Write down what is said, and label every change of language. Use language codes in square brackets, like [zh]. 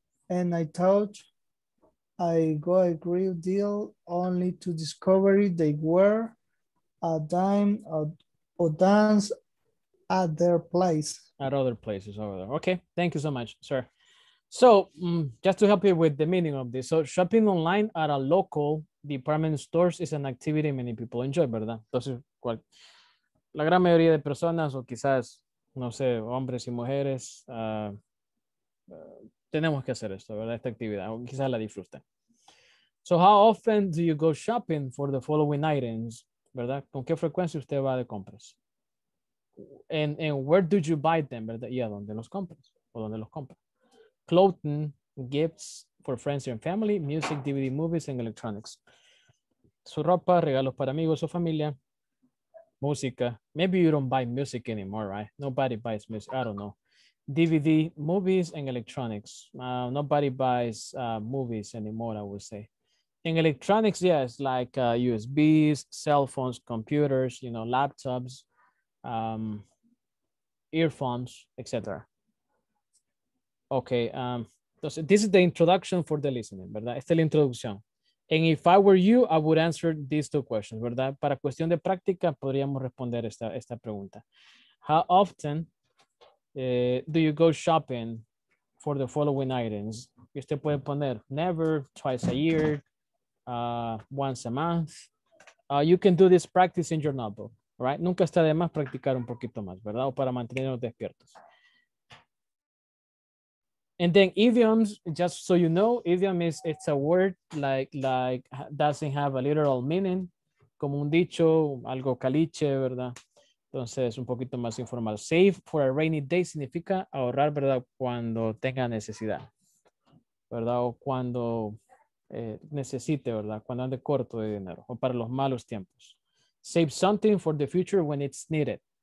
[en] And I thought I got a great deal only to discover they were a dime or dance at their place. At other places over there. Okay, thank you so much, sir. So just to help you with the meaning of this, so shopping online at a local department stores is an activity many people enjoy, ¿verdad? [es] Entonces, la gran mayoría de personas, o quizás, no sé, hombres y mujeres, tenemos que hacer esto, ¿verdad? Esta actividad, o quizás la disfruten. [en] So how often do you go shopping for the following items, ¿verdad? [es] ¿Con qué frecuencia usted va de compras? [en] And where do you buy them, [es] ¿verdad? Y a dónde los compras, o dónde los compras. [en] Clothing, gifts for friends and family, music, DVD, movies, and electronics. [es] Su ropa, regalos para amigos o familia, música. [en] Maybe you don't buy music anymore, right? Nobody buys music. I don't know. DVD, movies, and electronics. Nobody buys movies anymore, I would say. In electronics, yes, yeah, like USBs, cell phones, computers, you know, laptops, earphones, etc. Okay, entonces, this is the introduction for the listening, ¿verdad? [es] Esta es la introducción. [en] And if I were you, I would answer these two questions, ¿verdad? [es] Para cuestión de práctica, podríamos responder esta pregunta. [en] How often do you go shopping for the following items? [es] Y usted puede poner [en] never, twice a year, once a month. You can do this practice in your notebook, right? [es] Nunca está de más practicar un poquito más, ¿verdad? O para mantenernos despiertos. [en] And then idioms, just so you know, idiom is, it's a word like doesn't have a literal meaning, [es] como un dicho, algo caliche, [en] ¿verdad? [es] Entonces, un poquito más informal. [en] Save for a rainy day [es] significa ahorrar, ¿verdad? Cuando tenga necesidad, ¿verdad? O cuando necesite, ¿verdad? Cuando ande corto de dinero o para los malos tiempos. [en] Save something for the future when it's needed.